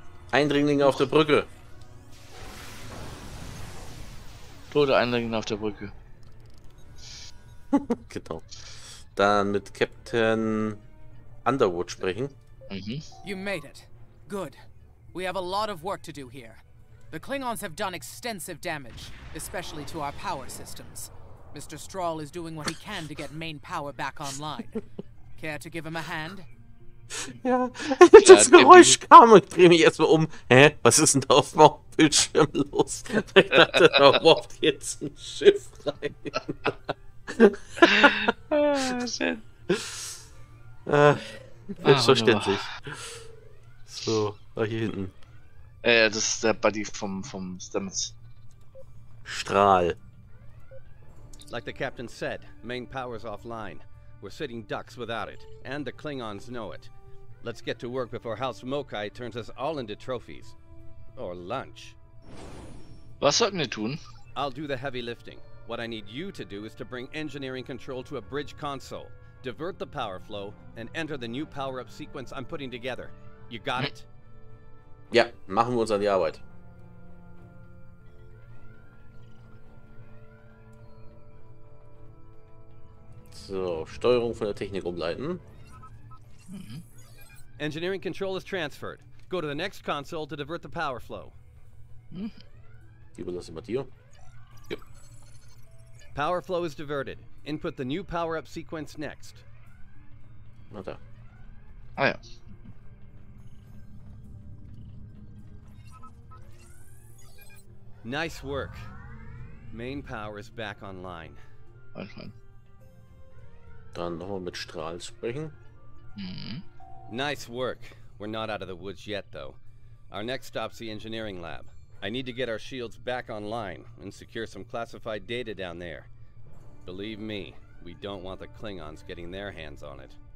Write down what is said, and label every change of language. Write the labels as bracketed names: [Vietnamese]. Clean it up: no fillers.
[German] Eindringlinge auf der Brücke. Tote Eindringlinge auf der Brücke. Genau. Dann mit Captain Underwood sprechen. [English] You made it. Good. We have a lot of work to do here. The Klingons have done extensive damage, especially to our power systems. Mr. Strahl is doing what he can to get main power back online. Care to give him a hand? [German] Ja, das Geräusch kam und ich drehe mich erstmal um. Hä? Was ist denn da auf dem Bildschirm los? Ich dachte, da warft jetzt ein Schiff rein. Schön. Selbstverständlich. So, da hier hinten. Das ist der Buddy vom Stamets. Strahl. [English] Like the captain said, main power's offline. We're sitting ducks without it. And the Klingons know it. Let's get to work before House Mokai turns us all into trophies. Or lunch. [German] Was sollten wir tun? [English] I'll do the heavy lifting. What I need you to do is to bring engineering control to a bridge console. Divert the power flow and enter the new power-up sequence I'm putting together. You got it? [German] Ja, machen wir uns an die Arbeit. So, Steuerung von der Technik umleiten. [English] Engineering control is transferred. Go to the next console to divert the power flow. [German] Die überlasse Matteo. [English] Yep. Power flow is diverted. Input the new power up sequence next. [German] Na da. Ah ja. [English] Nice work. Main power is back online. [German] Dann nochmal mit Strahl sprechen. [English] Nice work. We're not out of the woods yet, though. Our next stop's the engineering lab. I need to get our shields back online and secure some classified data down there. Believe me, we don't want the Klingons getting their hands on it.